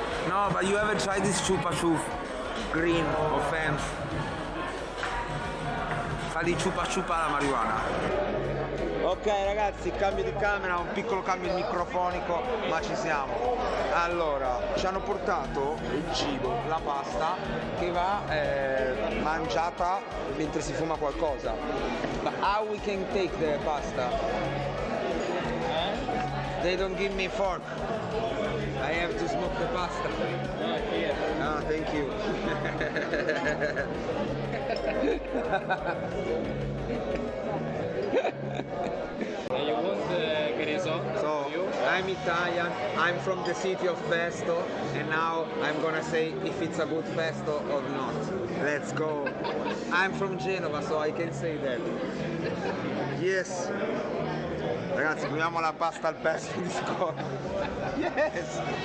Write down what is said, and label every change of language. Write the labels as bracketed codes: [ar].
[en] No, but you ever tried this chupa chup green of hemp? Fali chupa chupa la marijuana. [it] Ok ragazzi, cambio di camera, un piccolo cambio di microfonico, ma ci siamo. Allora, ci hanno portato il cibo, la pasta, che va mangiata mentre si fuma qualcosa. [en] But how we can take the pasta? They don't give me fork. I have to smoke the pasta. Ah, thank you. You want the risotto? So, I'm Italian, I'm from the city of Pesto, and now I'm gonna say if it's a good Pesto or not. Let's go. I'm from Genova, so I can say that. Yes. [it] Ragazzi, proviamo la pasta al pesto di scorso. [en] Yes.